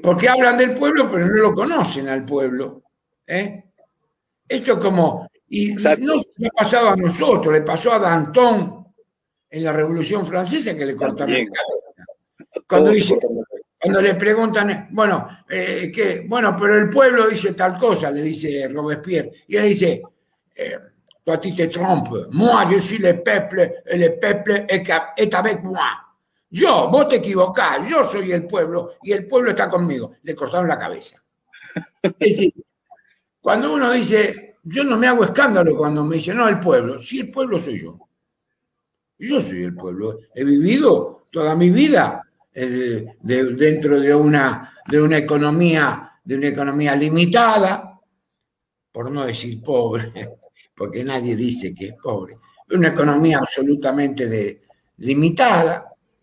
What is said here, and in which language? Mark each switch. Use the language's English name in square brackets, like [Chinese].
[Spanish] Porque hablan del pueblo, pero no lo conocen al pueblo. Esto es como, y exacto, no se ha pasado a nosotros, le pasó a Danton en la Revolución Francesa, que le cortaron la cabeza. Cuando dice, cuando le preguntan, bueno, ¿qué? Bueno, pero el pueblo dice tal cosa, le dice Robespierre. Y él dice, [French] toi tu te trompes, moi je suis le peuple est avec moi. [Spanish] Yo, vos te equivocás, yo soy el pueblo y el pueblo está conmigo. Le cortaron la cabeza. Es decir, cuando uno dice, yo no me hago escándalo cuando me dice, no, el pueblo, sí, el pueblo soy yo. Yo soy el pueblo, he vivido toda mi vida dentro de una economía limitada, por no decir pobre, porque nadie dice que es pobre, una economía absolutamente limitada.